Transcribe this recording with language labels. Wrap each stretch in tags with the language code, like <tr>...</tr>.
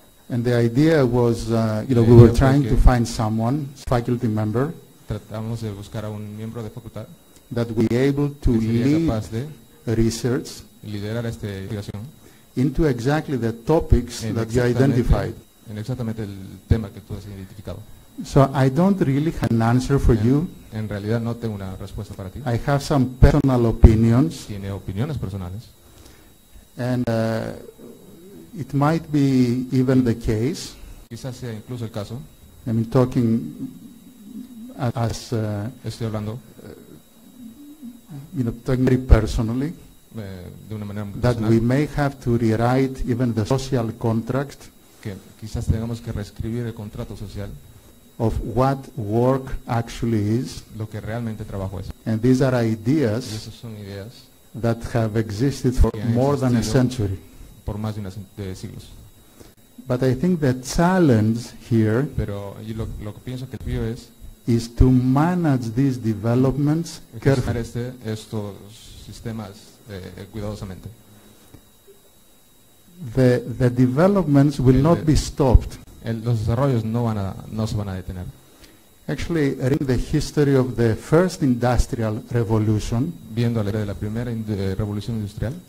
<en>And the idea was, we were trying to find someone, faculty member,</en> <es>tratamos de buscar a un miembro de facultad,</es> <en>that would be able to lead research</en> <es>liderar esta investigación</es> <en>into exactly the topics that you identified.</en> <es>En exactamente el tema que tú has identificado.</es> <en>So I don't really have an answer for you.</en> <es>En realidad no tengo una respuesta para ti.</es> <en>I have some personal opinions.</en> <es>Tiene opiniones personales.</es> <en>And it might be even the case.</en> <es>Quizás sea incluso el caso.</es> <en>I mean, talking as</en> <es>estoy hablando,</es> <en>talking very personally,</en> <es>de una manera</es> <en>personal, that we may have to rewrite even the social contract.</en> <es>Que quizás tengamos que reescribir el contrato social.</es> <en>Of what work actually is,</en> <es>lo que realmente trabajo es.</es> <en>And these are ideas,</en> <es>y esas son ideas</es> <en>that have existed for more than a century.</en> <es>Por más de una de siglos.</es> <en>But I think the challenge here,</en> <es>pero lo que pienso que el desafío es,</es> <en>is to manage these developments carefully.</en> <es>Estos sistemas cuidadosamente.</es> <en>The developments will not be stopped.</en> <es>Los desarrollos no se van a detener.</es> <en>Actually, reading the history of the first industrial revolution,</en> <es>viendo la historia de la primera revolución industrial,</es>